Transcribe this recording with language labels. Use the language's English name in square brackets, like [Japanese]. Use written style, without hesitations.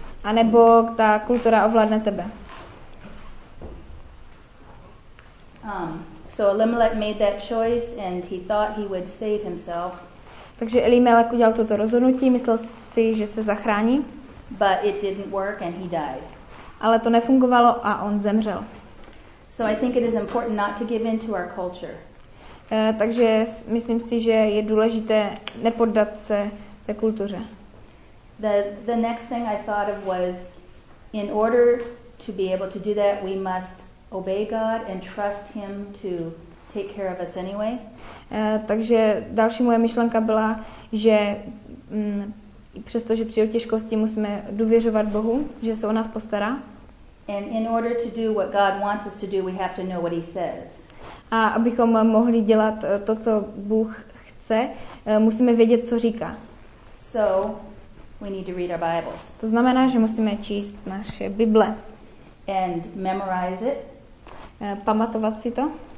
[Czech] A nebo ta kultura ovládne tebe. [English] So Elimelech made that choice and he thought he would save himself. [Czech] Takže Elimelech udělal toto rozhodnutí, myslel si, že se zachrání. [English] But it didn't work and he died. [Czech] Ale to nefungovalo a on zemřel. [English] So I think it is important not to give in to our culture. [Czech] Takže myslím si, že je důležité nepoddat se té kultuře. [English] The next thing I thought of was in order to be able to do that we must obey God and trust him to take care of us anyway. [Czech] Takže další moje myšlenka byla, že přestože při těžkosti musíme důvěřovat Bohu, že se o nás postará. [English] And in order to do what God wants us to do, we have to know what he says. [Czech] A abychom mohli dělat to, co Bůh chce, musíme vědět, co říká. [English] So, we need to read our Bibles. [Czech] To znamená, že musíme číst naše Bible. [English] And memorize it. [Czech] Pamatovat si to.